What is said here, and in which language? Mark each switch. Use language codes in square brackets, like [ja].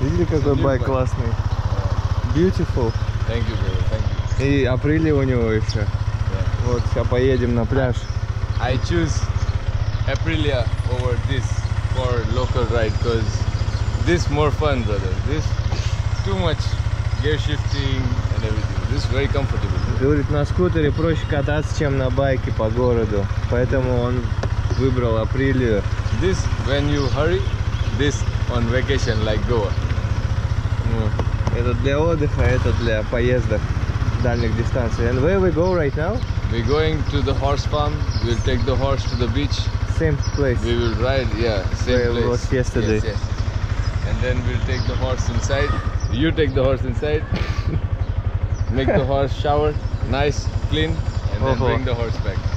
[ru] Видели, какой байк классный? [en] Beautiful. Thank you, brother. Thank you. [ru] И Априли у него еще. [en] Yeah. [ru] Вот, сейчас поедем на пляж. [en] I choose Aprilia over this for local ride because this more fun, brother. This too much gear shifting and everything. This is very comfortable. [ru] Говорит, на скутере проще кататься, чем на байке по городу, поэтому он выбрал Aprilia. [en] This when you hurry, this on vacation like Goa. [ru] Это для отдыха, это для поездок дальних дистанций. [en] And where we go right now? We're going to the horse farm. We'll take the horse to the beach. Same place. We will ride, yeah, same where place. Where it was yesterday. Yes, yes. And then we'll take the horse inside. You take the horse inside. Make the horse shower, nice, clean, and then bring the horse back.